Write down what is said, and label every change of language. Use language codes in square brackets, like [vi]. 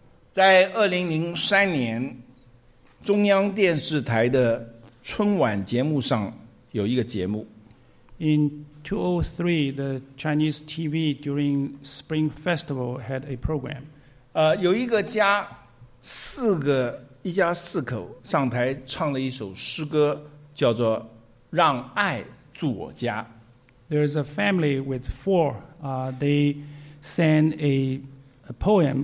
[zh] 在2003年，中央电视台的春晚节目上有一个节目。 [en] In 2003, the Chinese TV during Spring Festival had a program. [zh] 有一个家四个一家四口上台唱了一首诗歌，叫做《让爱住我家》。 [en] There is a family with four. They sang a poem.